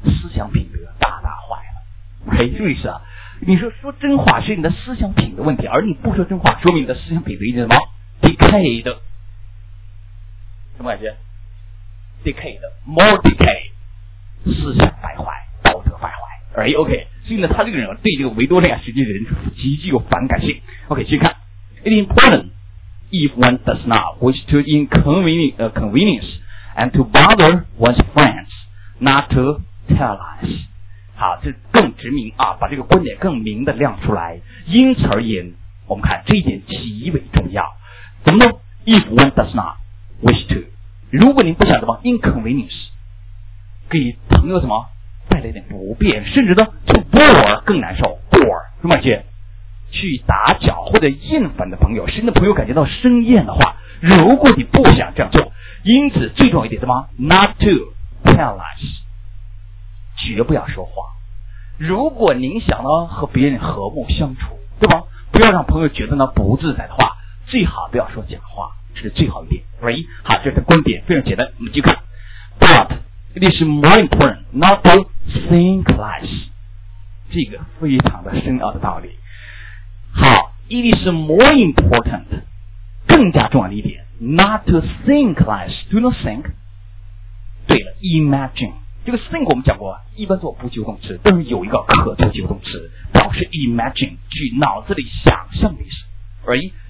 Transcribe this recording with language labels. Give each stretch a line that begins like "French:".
Chinese: 思想品德大大坏了。哎，注意是啊，你说说真话是你的思想品德问题，而你不说真话，说明你的思想品德已经什么 decayed 的，什么感觉 ？decayed 的 ，more decay， 思想败坏，道德败坏。哎 ，OK。所以呢，他这个人对这个维多利亚时期的人极具有反感性。
English: OK，
Chinese: 继续看
English: ，It is important if one does not wish to inconvenience and to bother one's friends not to tell lies。
Chinese: 好，这更直明啊，把这个观点更明的亮出来。因此而言，我们看这一点极为重要。怎么呢 ？
English: If one does not wish to，
Chinese: 如果您不想什么 inconvenience， 给朋友什么？带来点不便，甚至呢 ，
English: to bore
Chinese: 更难受 ，bore 什么姐，去打搅或者厌烦的朋友，使你的朋友感觉到生厌的话，如果你不想这样做，因此最重要一点什么 ，
English: not to tell lies，
Chinese: 绝不要说谎。如果您想呢和别人和睦相处，对吧？不要让朋友觉得呢不自在的话，最好不要说假话，这是最好一点。
English: Right？
Chinese: 好，这是观点非常简单，我们继续看 ，but。
English: It is more important not to think lies.
Chinese: 这个非常的深奥的道理。
English: 好 ，It is more important
Chinese: 更加重要的一点
English: ，not to think lies. Do not think.
Chinese: 对了 ，imagine 这个 think 我们讲过，一般做不及物动词，但是有一个可做及物动词，表示 imagine 去脑子里想象的意思。
English: Right?